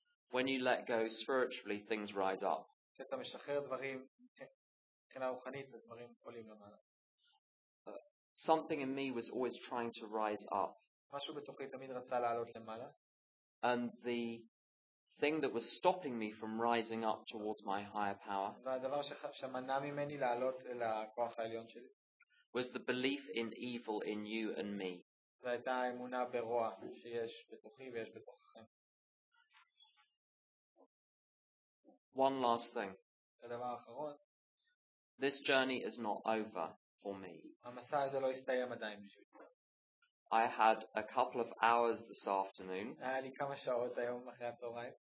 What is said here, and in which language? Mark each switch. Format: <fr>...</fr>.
<en>When you let go spiritually, things rise up.</en> <he>כשאתה משחרר דברים, מבחינה רוחנית, דברים עולים למעלה.</he> <en>Something in me was always trying to rise up.</en> <he>משהו בתוכי תמיד רצה לעלות למעלה.</he> <en>And the thing that was stopping me from rising up towards my higher power</en> <he>והדבר שמנע ממני לעלות אל הכוח העליון שלי</he> <en>was the belief in evil in you and me.</en> <he>והייתה האמונה ברוע שיש בתוכי ויש בתוככם.</he> <en>One last thing.</en> <he>הדבר האחרון.</he> <en>This journey is not over for me.</en> <he>המסע הזה לא הסתיים עדיין בשבילי.</he> <en>I had a couple of hours this afternoon.</en> <he>היה לי כמה שעות היום אחרי הצהריים.</he>